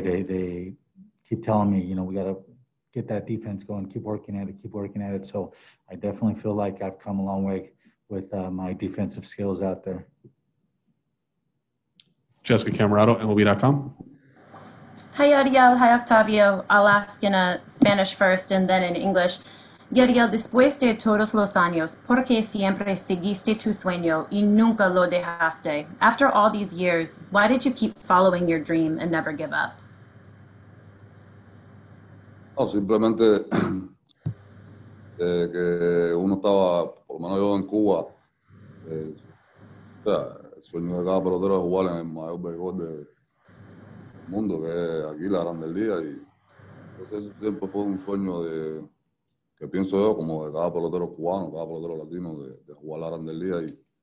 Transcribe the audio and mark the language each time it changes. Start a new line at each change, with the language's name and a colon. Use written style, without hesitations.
English: They keep telling me, you know, we got to get that defense going, keep working at it. So I definitely feel like I've come a long way with my defensive skills out there. Jessica Camerato, MLB.com. Hi, Yadiel. Hi, Octavio. I'll ask in Spanish first and then in English.
Spanish: Yadiel, después de todos los años, ¿por qué siempre seguiste tu sueño y nunca lo dejaste?
English: After all these years, why did you keep following your dream and never give up?
Spanish: No, simplemente que uno estaba, por lo menos yo en Cuba, el sueño de cada pelotero es jugar en el mayor béisbol del mundo, que es aquí la Grandes Ligas, y entonces siempre fue un sueño de que pienso yo, como de cada pelotero cubano, cada pelotero latino, de jugar a la Grandes Ligas.